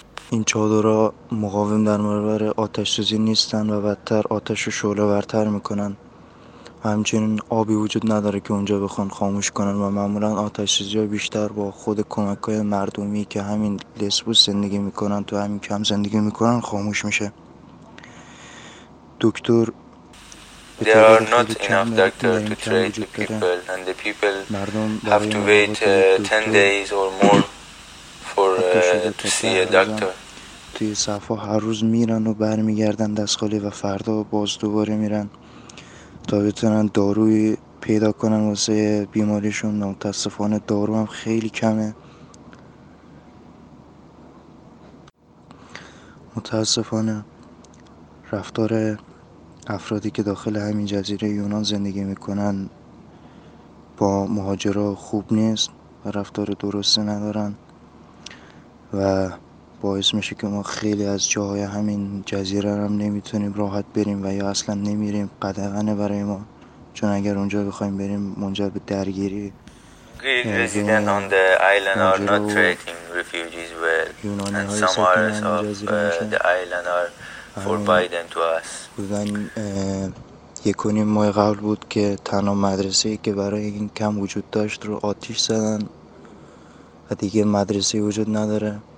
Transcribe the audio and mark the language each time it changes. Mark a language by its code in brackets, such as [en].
[fa] این چادر ها مقاوم در برابر آتش‌سوزی نیستن و بدتر آتش رو شعله ورتر میکنن. همچنین آبی وجود نداره که اونجا بخوان خاموش کنن و معمولا آتش‌سوزی‌ها بیشتر با خود کمک‌های مردمی که همین لسبوس زندگی میکنن، تو همین کم زندگی میکنن، خاموش میشه. دکتر [en] There are not enough doctors to treat the people and the people have to wait 10 days or more for to see a doctor. [fa] توی صفا هر روز میرن و برمیگردن دستخالی و فردا باز دوباره میرن تا بتونن داروی پیدا کنن واسه بیماریشون. متاسفانه دارو هم خیلی کمه. متاسفانه رفتار افرادی که داخل همین جزیره یونان زندگی میکنن با مهاجرا خوب نیست و رفتار درستی ندارن. و باعث میشه که ما خیلی از جاهای همین جزیره رو هم نمیتونیم راحت بریم و یا اصلا نمیریم، قدغنه برای ما، چون اگر اونجا بخوایم بریم منجر به درگیری. [en] Resident on the island are not treating refugees well, and some areas of the island are forbidden to us. [fa] یک و نیم ماه قبل بود که تنها مدرسه‌ای که برای این کم وجود داشت رو آتیش زدن و دیگه مدرسه‌ای وجود نداره.